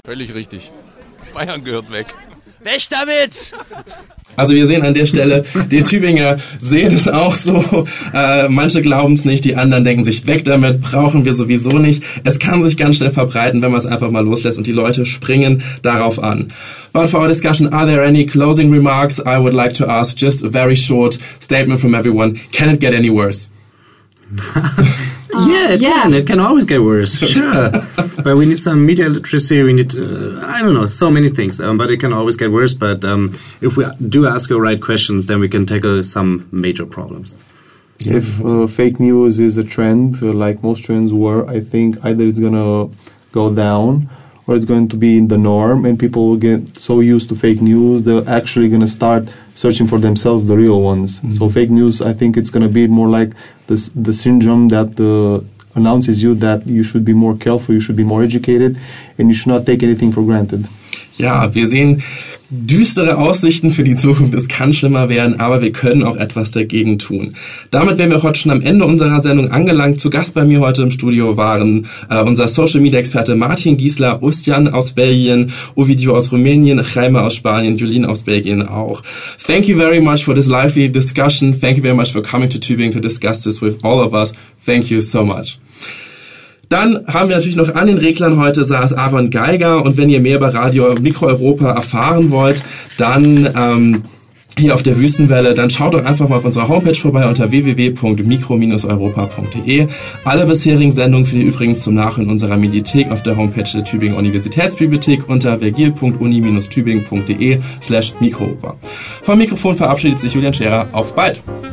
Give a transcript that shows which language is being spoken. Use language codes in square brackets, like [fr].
[de] Völlig richtig. Bayern gehört weg. Weg damit! Also wir sehen an der Stelle, die Tübinger sehen es auch so. Manche glauben es nicht, die anderen denken sich, weg damit, brauchen wir sowieso nicht. Es kann sich ganz schnell verbreiten, wenn man es einfach mal loslässt, und die Leute springen darauf an. [en] But for our discussion, are there any closing remarks? I would like to ask just a very short statement from everyone. Can it get any worse? Yeah, it can. It can always get worse. Sure. But we need some media literacy. We need, I don't know, so many things. But it can always get worse. But if we do ask the right questions, then we can tackle some major problems. If fake news is a trend, like most trends were, I think either it's going to go down or it's going to be in the norm, and people will get so used to fake news, they're actually going to start searching for themselves the real ones. Mm-hmm. So fake news, I think it's going to be more like the syndrome that announces you that you should be more careful, you should be more educated, and you should not take anything for granted. [de] Ja, wir sehen düstere Aussichten für die Zukunft, es kann schlimmer werden, aber wir können auch etwas dagegen tun. Damit wären wir heute schon am Ende unserer Sendung angelangt. Zu Gast bei mir heute im Studio waren unser Social-Media-Experte Martin Giesler, Ustjan aus Belgien, Ovidio aus Rumänien, Jaime aus Spanien, Julien aus Belgien auch. [en] Thank you very much for this lively discussion. Thank you very much for coming to Tübingen to discuss this with all of us. Thank you so much. [de] Dann haben wir natürlich noch an den Reglern heute saß Aaron Geiger. Und wenn ihr mehr über Radio Mikro Europa erfahren wollt, dann hier auf der Wüstenwelle, dann schaut doch einfach mal auf unserer Homepage vorbei unter www.mikro-europa.de. Alle bisherigen Sendungen findet ihr übrigens zum Nachhören in unserer Mediathek auf der Homepage der Tübingen Universitätsbibliothek unter vergil.uni-tübingen.de/mikroeuropa. Vom Mikrofon verabschiedet sich Julian Scherer. Auf bald!